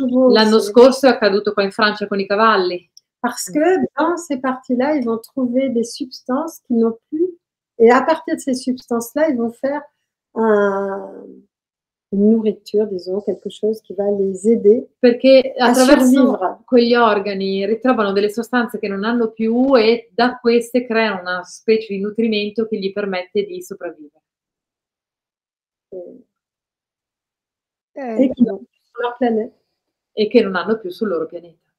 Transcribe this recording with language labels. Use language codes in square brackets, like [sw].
[it] L'anno scorso è accaduto qua in Francia con i cavalli. [fr] Parce que dans ces parties-là, ils vont trouver des substances qu'ils n'ont plus, et à partir de ces substances-là, ils vont faire une nourriture, disons, quelque chose qui va les aider. [it] Perché attraverso quegli organi ritrovano delle sostanze che non hanno più e da queste creano una specie di nutrimento che gli permette di sopravvivere. E che non hanno più sul loro pianeta. E che non hanno più sul loro pianeta.